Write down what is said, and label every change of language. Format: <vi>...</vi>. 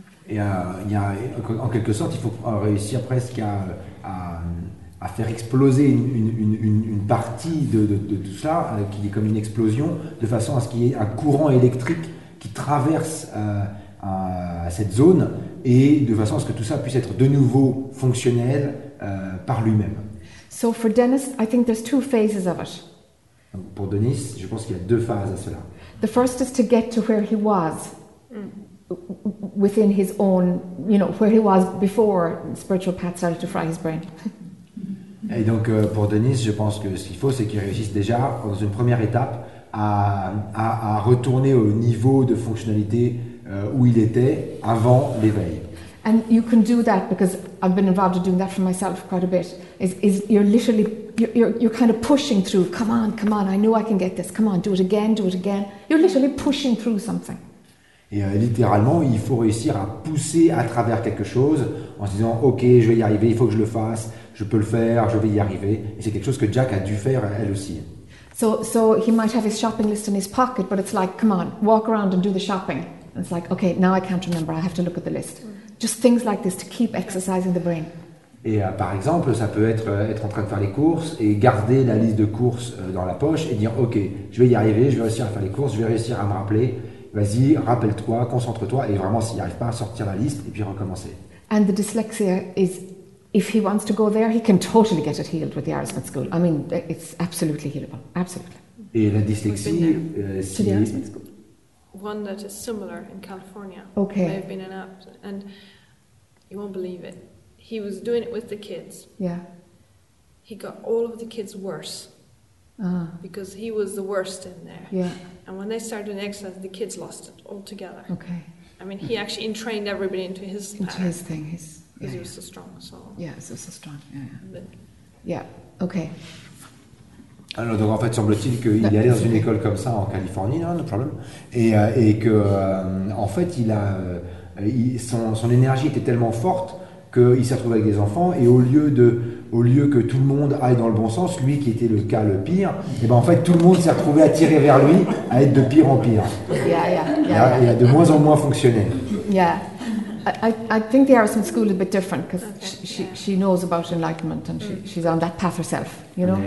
<fr>Et en quelque sorte, il faut réussir presque à faire exploser une partie de tout ça, qui est comme une explosion, de façon à ce qu'il y ait un courant électrique qui traverse cette zone, et de façon à ce que tout ça puisse être de nouveau fonctionnel par lui-même.</fr> <en>So for Dennis, I think there's two phases of it.</en> <fr>Pour Dennis, je pense qu'il y a deux phases à cela.</fr> <en>The first is to get to where he was. Within his own, you know, where he was before spiritual path started to fry his brain.</en> <fr>Et donc pour Denise, je pense que ce qu'il faut, c'est qu'il réussisse déjà dans une première étape à retourner au niveau de fonctionnalité où il était avant l'éveil.</fr> <en>And you can do that because I've been involved in doing that for myself quite a bit. Is you're kind of pushing through. Come on, I know I can get this. Come on, do it again. You're literally pushing through something.</en> <fr>Et littéralement, il faut réussir à pousser à travers quelque chose en se disant « Ok, je vais y arriver, il faut que je le fasse, je peux le faire, je vais y arriver. » Et c'est quelque chose que Jack a dû faire elle aussi.</fr> <en>So he might have his shopping list in his pocket, but it's like, come on, walk around and do the shopping. And it's like, okay, now I can't remember, I have to look at the list. Just things like this to keep exercising the brain.</en> <fr>Et par exemple, ça peut être en train de faire les courses et garder la liste de courses dans la poche et dire « Ok, je vais y arriver, je vais réussir à faire les courses, je vais réussir à me rappeler. » Vas-y, rappelle-toi, concentre-toi, et vraiment, s'il n'arrive pas à sortir la liste, et puis recommencer.</fr> <en>And the dyslexia is, if he wants to go there, he can totally get it healed with the Arrowsmith School. I mean, it's absolutely healable, absolutely.</en> <fr>Et la dyslexie,</fr> <en>to the Arrowsmith School. One that is similar in California. Okay. I've been in app, and you won't believe it. He was doing it with the kids. Yeah. He got all of the kids worse. Because he was the worst in there. Yeah. And when they started doing the exercise, the kids lost it altogether. Okay. I mean, he actually entrained everybody into his pattern. Into his thing. Because he was so strong. So. Yeah, he was so strong. Yeah. Yeah, okay.</en> <fr>Alors, donc en fait, semble-t-il qu'il est allé dans une école comme ça en Californie,</fr> <en>no problem.</en> <fr>Et que, en fait, son énergie était tellement forte qu'il s'est retrouvé avec des enfants et au lieu que tout le monde aille dans le bon sens, lui qui était le cas le pire, et ben en fait tout le monde s'est retrouvé attiré vers lui à être de pire en pire.</fr> <en>Yeah.</en> <fr>Il a de moins en moins fonctionné.</fr> <en>Yeah, I think the Arrowsmith School is a bit different because she knows about enlightenment and she's on that path herself, you know.</en>